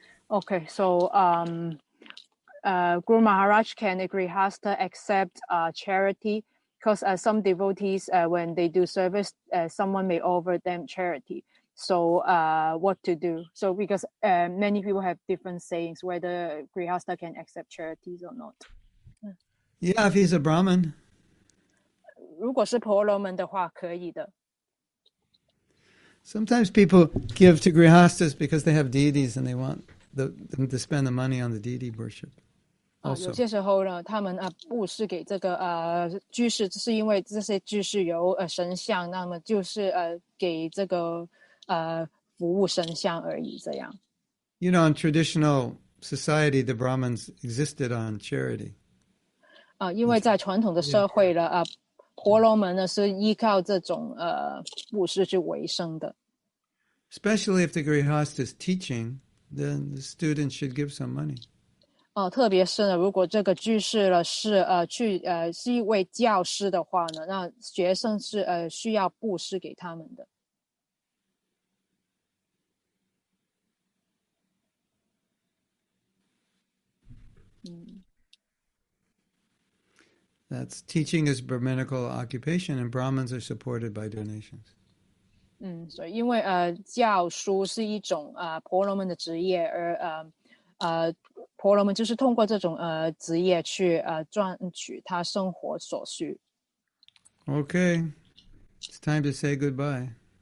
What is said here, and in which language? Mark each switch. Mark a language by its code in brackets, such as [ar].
[en] Okay, so Guru Maharaj can agree has to accept charity because some devotees, when they do service, someone may offer them charity. So what to do? So because many people have different sayings whether Grihastha can accept charities or not. Yeah, if he's a Brahmin. [zh] 如果是婆罗门的话，可以的。 [en] Sometimes people give to Grihasthas because they have deities and they want them to spend the money on the deity worship. Also. [zh] 有些时候呢，他们布施给这个居士，是因为这些居士有神像，那么就是给这个服务神像而已，这样。 [en] You know, in traditional society, the Brahmins existed on charity. [zh] 因为在传统的社会了婆罗门呢是依靠这种布施去维生的。 [en] especially if the Grihastha is teaching, then the student should give some money. [zh] 特别是呢，如果这个居士呢是去是一位教师的话呢，那学生是需要布施给他们的。 [en] That's teaching is Brahminical occupation, and Brahmins are supported by donations. [zh] 嗯，所以因为教书是一种婆罗门的职业，而婆罗门就是通过这种职业去赚取他生活所需。 [en] Okay, it's time to say goodbye.